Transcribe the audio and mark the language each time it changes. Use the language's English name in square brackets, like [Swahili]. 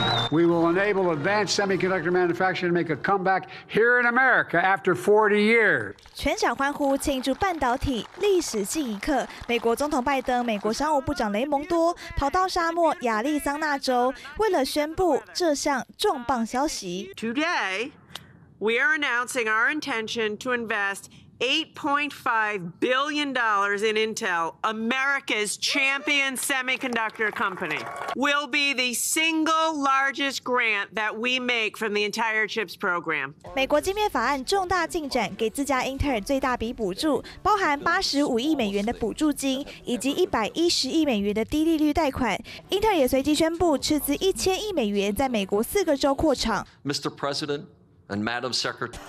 [English] We will enable advanced semiconductor manufacturing to make a comeback here in America after 40 years. [Chinese] 全场欢呼庆祝半导体历史性一刻。美国总统拜登、美国商务部长雷蒙多跑到沙漠亚利桑那州，为了宣布这项重磅消息。 [English] Today, we are announcing our intention to invest $8.5 billion in Intel, America's champion semiconductor company, will be the single largest grant that we make from the entire CHIPS program. [Chinese] 美国晶片法案重大进展，给自家英特尔最大笔补助，包含85亿美元的补助金以及110亿美元的低利率贷款。英特尔也随即宣布斥资1000亿美元在美国4个州扩厂。 [English] Mr. President, And Madam Secretary,